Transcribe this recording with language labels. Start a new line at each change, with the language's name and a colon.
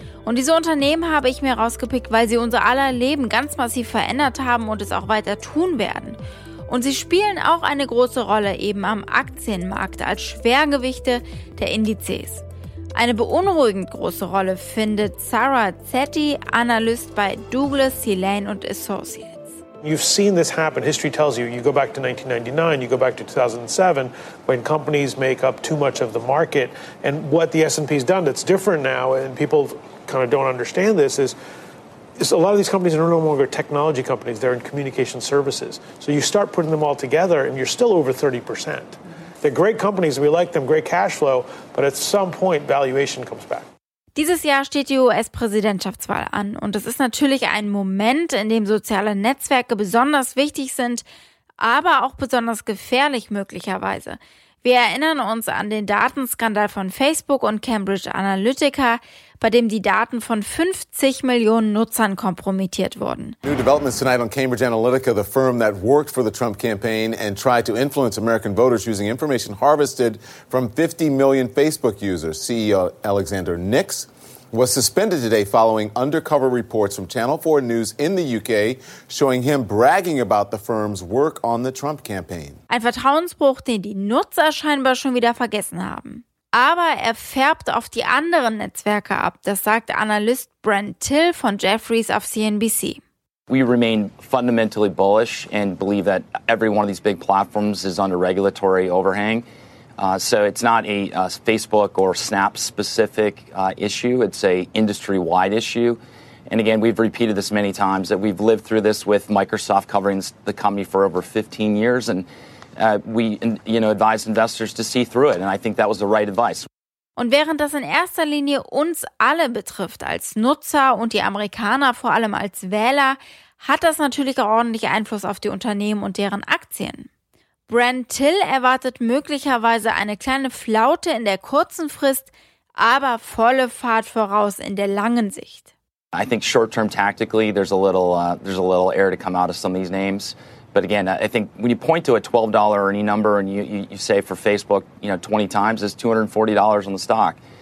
German: Und diese Unternehmen habe ich mir rausgepickt, weil sie unser aller Leben ganz massiv verändert haben und es auch weiter tun werden. Und sie spielen auch eine große Rolle eben am Aktienmarkt als Schwergewichte der Indizes. Eine beunruhigend große Rolle findet Sarah Zetti, Analyst bei Douglas C. Lane & Associates.
English: You've seen this happen. History tells you, you go back to 1999, you go back to 2007, when companies make up too much of the market. And what the S&P's done that's different now, and people kind of don't understand this, is a lot of these companies are no longer technology companies. They're in communication services. So you start putting them all together, and you're still over 30%. They're great companies, we like them, great cash flow, but at some point, valuation comes back.
German: Dieses Jahr steht die US-Präsidentschaftswahl an und das ist natürlich ein Moment, in dem soziale Netzwerke besonders wichtig sind, aber auch besonders gefährlich möglicherweise. Wir erinnern uns an den Datenskandal von Facebook und Cambridge Analytica, bei dem die Daten von 50 Millionen Nutzern kompromittiert wurden.
English: New developments tonight on Cambridge Analytica, the firm that worked for the Trump campaign and tried to influence American voters using information harvested from 50 million Facebook users. CEO Alexander Nix was suspended today following undercover reports from Channel 4 News in the UK showing him bragging about the firm's work on the Trump campaign.
German: Ein Vertrauensbruch, den die Nutzer scheinbar schon wieder vergessen haben. Aber er färbt auf die anderen Netzwerke ab, das sagt Analyst Brent Till von Jefferies auf CNBC.
English: We remain fundamentally bullish and believe that every one of these big platforms is under regulatory overhang. So it's not a Facebook or Snap specific issue, it's a industry-wide issue. And again, we've repeated this many times that we've lived through this with Microsoft covering the company for over 15 years and advise investors to see through it, and I think that was the right advice.
German: Und während das in erster Linie uns alle betrifft als Nutzer und die Amerikaner vor allem als Wähler, hat das natürlich auch ordentlich Einfluss auf die Unternehmen und deren Aktien. Brent Till erwartet möglicherweise eine kleine Flaute in der kurzen Frist, aber volle Fahrt voraus in der langen Sicht.
English: I think short-term tactically, there's a little air to come out of some of these names. But again, I think when you point to a $12 earning number and you say for Facebook, 20 times, it's $240 on the stock.